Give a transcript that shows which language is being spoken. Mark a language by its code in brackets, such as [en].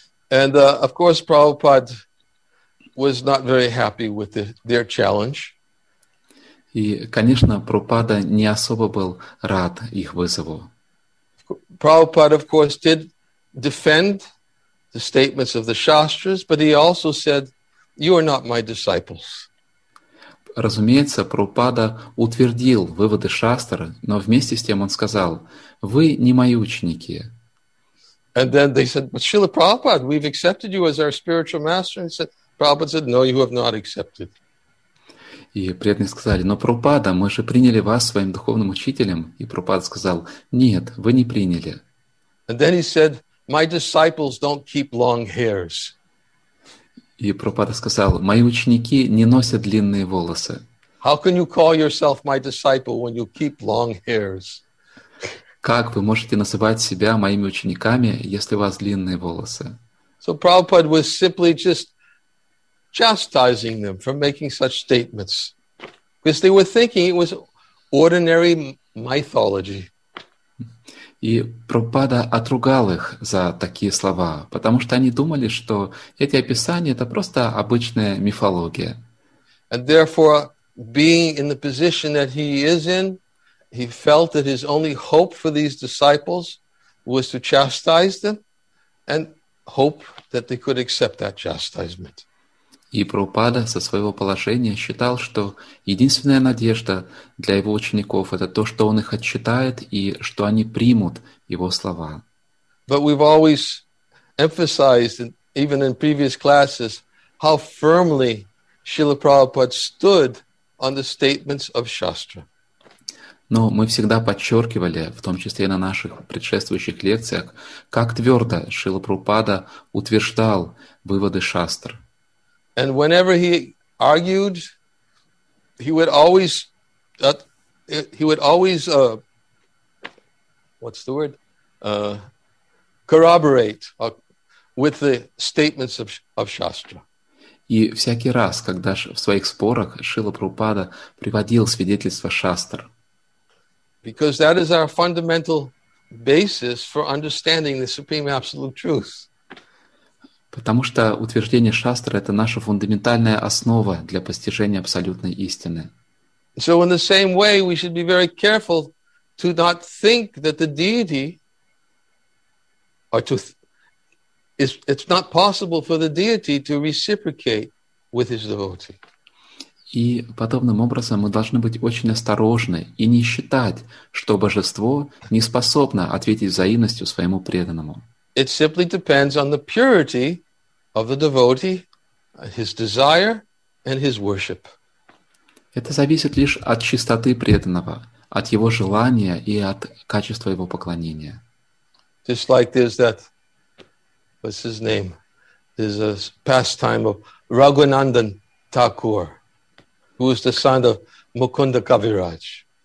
[en] And of course, Prabhupada was not very happy with their challenge. [ru] И, конечно, Прабхупада не особо был рад их вызову. [en] Prabhupada, of course, did defend the statements of the Shastras, but he also said, "You are not my disciples." [ru] Разумеется, Прабхупада утвердил выводы Шастры, но вместе с тем он сказал, "Вы не мои ученики." [en] And then they said, "But Srila Prabhupada, we've accepted you as our spiritual master." And Prabhupada said, "No, you have not accepted." [ru] И преданные сказали, "Но Прабхупада, мы же приняли вас своим духовным учителем." И Прабхупада сказал, "Нет, вы не приняли." [en] And then he said, "My disciples don't keep long hairs." [ru] И Прабхупада сказал, "Мои ученики не носят длинные волосы." [en] How can you call yourself my disciple when you keep long hairs? [ru] Как вы можете называть себя моими учениками, если у вас длинные волосы? [en] So Prabhupada was simply just chastising them for making such statements. Because they were thinking it was ordinary mythology. [ru] И Прабхупада отругал их за такие слова, потому что они думали, что эти описания — это просто обычная мифология. [en] And therefore, being in the position that he is in, he felt that his only hope for these disciples was to chastise them and hope that they could accept that chastisement. [ru] И Прабхупада со своего положения считал, что единственная надежда для его учеников — это то, что он их отчитает и что они примут его слова. [en] But we've always emphasized, even in previous classes, how firmly Srila Prabhupada stood on the statements of Shastra. [ru] Но мы всегда подчеркивали, в том числе и на наших предшествующих лекциях, как твердо Шрила Прабхупада утверждал выводы Шастр. [en] And whenever he argued, corroborate with the statements of Shastra. [ru] И всякий раз, когда в своих спорах Шрила Прабхупада приводил свидетельства Шастр. [en] Because that is our fundamental basis for understanding the Supreme Absolute Truth. [ru] Потому что утверждение Шастры — это наша фундаментальная основа для постижения абсолютной истины. [en] So in the same way, we should be very careful to not think that the deity it's not possible for the deity to reciprocate with his devotee. [ru] И подобным образом мы должны быть очень осторожны и не считать, что божество не способно ответить взаимностью своему преданному. [en] It simply depends on the purity of the devotee, his desire, and his worship. [ru] Это зависит лишь от чистоты преданного, от его желания и от качества его поклонения. [en] Just like there's that, what's his name? There's a pastime of Raghunandan Thakur, who is the son of Mukunda Kaviraj.